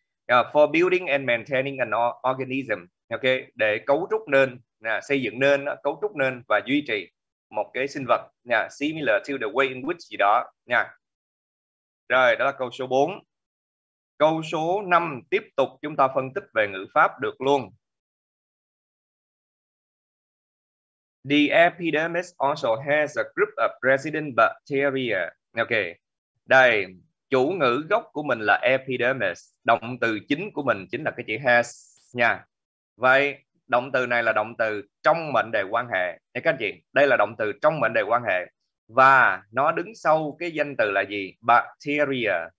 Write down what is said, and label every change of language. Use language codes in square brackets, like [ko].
[en] For building and maintaining an organism. [vi] Ok, để cấu trúc nên, xây dựng nên, cấu trúc nên và duy trì một cái sinh vật, [en] similar to the way in which [vi] gì đó, nha. Rồi, đó là câu số 4. Câu số 5 tiếp tục chúng ta phân tích về ngữ pháp được luôn. [en] The epidermis also has a group of resident bacteria. [vi] Ok, đây. Chủ ngữ gốc của mình là epidermis, động từ chính của mình chính là cái chữ has nha. Vậy động từ này là động từ trong mệnh đề quan hệ nha các anh chị. Đây là động từ trong mệnh đề quan hệ và nó đứng sau cái danh từ là gì? Bacteria.